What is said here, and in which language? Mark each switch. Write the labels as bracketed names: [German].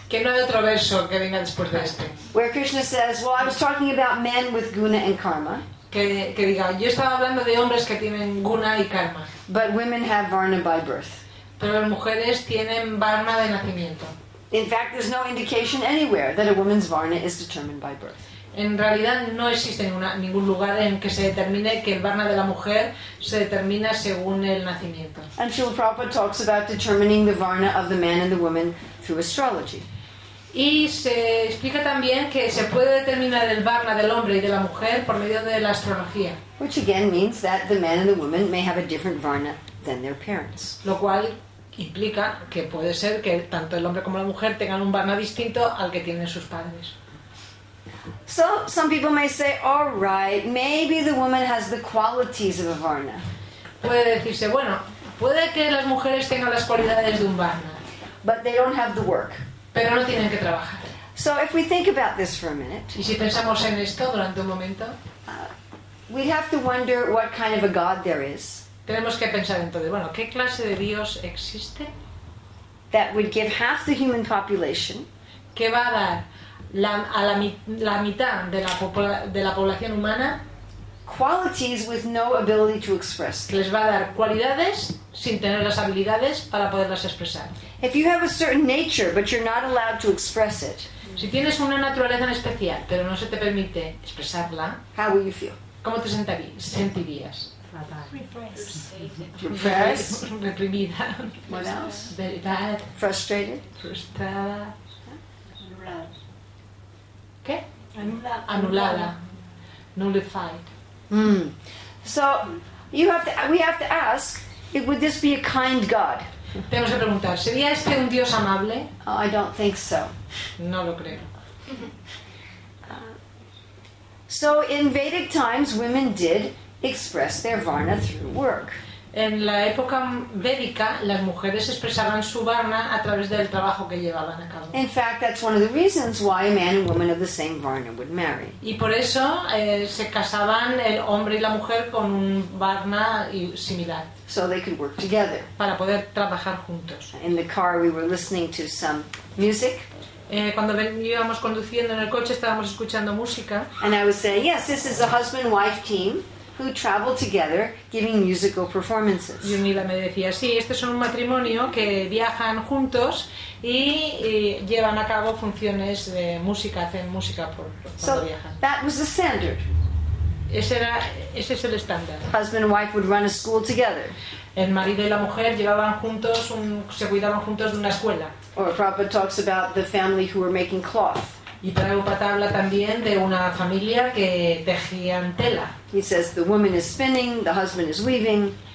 [Spanish] Que no hay otro verso que venga después de este. [English] Where Krishna says, "Well, I was talking about men with guna and karma." [Spanish] Que diga, yo estaba hablando de hombres que tienen guna y karma. [English] But women have varna by birth. [Spanish] Pero las mujeres tienen varna de nacimiento. [English] In fact, there's no indication anywhere that a woman's varna is determined by birth. [Spanish] En realidad no existe ningún lugar en que se determine que el varna de la mujer se determina según el nacimiento. [English] And Srila Prabhupada talks about determining the varna of the man and the woman through astrology. [Spanish] Y se explica también que se puede determinar el varna del hombre y de la mujer por medio de la astrología. [English] Which again means that the man and the woman may have a different varna than their parents. [Spanish] Lo cual implica que puede ser que tanto el hombre como la mujer tengan un varna distinto al que tienen sus padres. [English] So some people may say, all right, maybe the woman has the qualities of a varna. [Spanish] Puede decirse, bueno, puede que las mujeres tengan las cualidades de un varna. [English] But they don't have the work. [Spanish] Pero no tienen que trabajar. [English] So if we think about this for a minute. [Spanish] Y si pensamos en esto durante un momento. [English] We have to wonder what kind of a God there is. [Spanish] Tenemos que pensar entonces, bueno, ¿qué clase de Dios existe? [English] That would give half the human population. [Spanish] ¿Qué va a dar a la mitad de la población humana [English] qualities with no ability to express? [Spanish] Les va a dar cualidades sin tener las habilidades para poderlas expresar. [English] If you have a certain nature but you're not allowed to express it, [Spanish] si tienes una naturaleza en especial pero no se te permite expresarla, [English] how will you feel? [Spanish] ¿Cómo te sentirías? [English] Repressed. [Spanish] Reprimida. [English] What else? Very bad. Frustrated. [Spanish] Frustrada. Anulada. Anulada. [English] nullified. Mm. So you have to, we have to ask, would this be a kind God? [Spanish] Tenemos que preguntar, ¿sería este un Dios amable? [English] Oh, I don't think so. [Spanish] No lo creo. [English] So in Vedic times, women did express their varna through work. [Spanish] En la época védica, las mujeres expresaban su varna a través del trabajo que llevaban a cabo. [English] In fact, that's one of the reasons why a man and woman of the same varna would marry. [Spanish] Y por eso se casaban el hombre y la mujer con un varna similar. [English] So they could work together. [Spanish] Para poder trabajar juntos. [English] In the car, we were listening to some music. [Spanish] Cuando íbamos conduciendo en el coche, estábamos escuchando música. [English] And I was saying, yes, this is a husband-wife team who travel together giving musical performances. [Spanish] Y Mila me decía, sí, este es un matrimonio que viajan juntos y llevan a cabo funciones de música, hacen música por cuando [English] so [Spanish] viajan. [English] That was the standard. [Spanish] Ese es el estándar. [English] Husband and wife would run a school together. [Spanish] El marido y la mujer llevaban juntos se cuidaban juntos de una escuela. [English] Or Prabhupada talks about the family who were making cloth. [Spanish] Y Prabhupada habla también de una familia que tejían tela. [English] He says the woman is spinning, the husband is weaving.